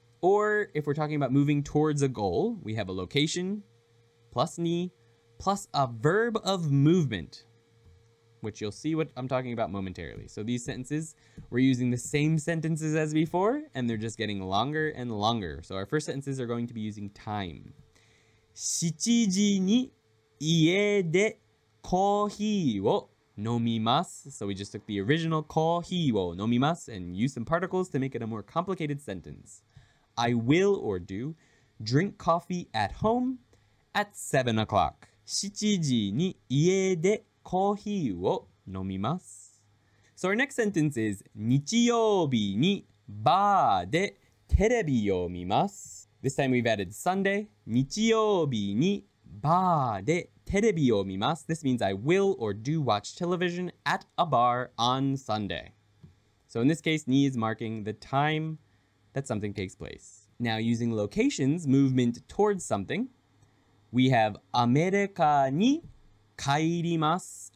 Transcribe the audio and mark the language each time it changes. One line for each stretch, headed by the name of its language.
English: Or if we're talking about moving towards a goal, we have a location, plus ni, plus a verb of movement, which you'll see what I'm talking about momentarily. So these sentences, we're using the same sentences as before, and they're just getting longer and longer. So our first sentences are going to be using time.
Japanese: 7時に家でコーヒーを飲みます.
English: So we just took the original
Japanese: コーヒーを飲みます
English: and used some particles to make it a more complicated sentence. I will or do drink coffee at home at 7 o'clock.
Japanese: 7時に家でコーヒーを飲みます. コーヒーを飲みます。
English: So our next sentence is
Japanese: 日曜日にバーでテレビを見ます。
English: This time we've added Sunday.
Japanese: 日曜日にバーでテレビを見ます。
English: This means I will or do watch television at a bar on Sunday. So in this case, ni is marking the time that something takes place. Now using locations, movement towards something, we have
Japanese: Amerika ni kaerimasu.